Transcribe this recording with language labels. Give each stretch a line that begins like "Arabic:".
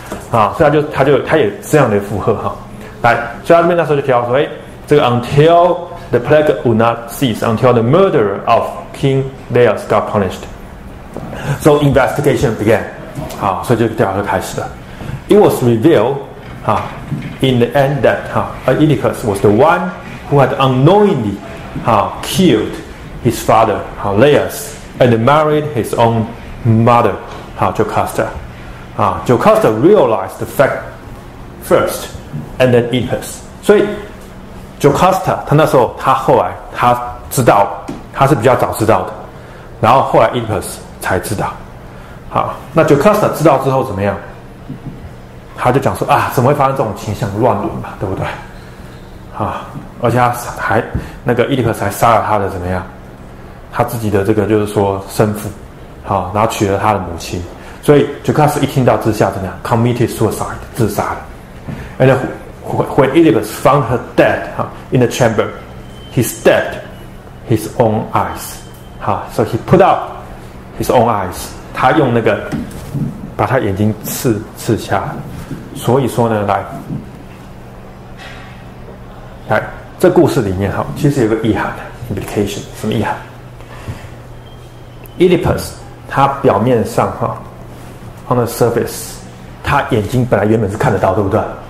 Chinese: 好，所以他也这样的符合。好，来，所以他那边那时候就提到说，哎，这个
English: until the plague would not cease, until the murderer of King Laius got punished. So investigation began.
Chinese: 好，所以就调查就开始了。
English: It was revealed, in the end that, Oedipus was the one who had unknowingly, killed his father, Laius, and married his own mother, Jocasta. Jocasta realized the fact first. And then Oedipus.
Chinese: 所以 Jocasta 他那时候他后来他知道他是比较早知道的，然后后来 Oedipus 才知道。好，那 Jocasta 知道之后怎么样？他就讲说啊，怎么会发生这种情形？乱伦嘛，对不对？啊，而且他还那个伊底帕斯还杀了他的怎么样？他自己的这个就是说生父，好，然后娶了他的母亲。所以 Jocasta 一听到之下怎么样 ？
English: Committed suicide，
Chinese: 自杀了。
English: And when Oedipus found her dead in the chamber, he stabbed his own eyes. So he put out his own eyes.
Chinese: 他用那个把他眼睛刺瞎。所以说呢，来，这故事里面其实有个意涵的 implication， 什么意涵 ？Oedipus 他表面上
English: on the surface，
Chinese: 他眼睛本来原本是看得到，对不对？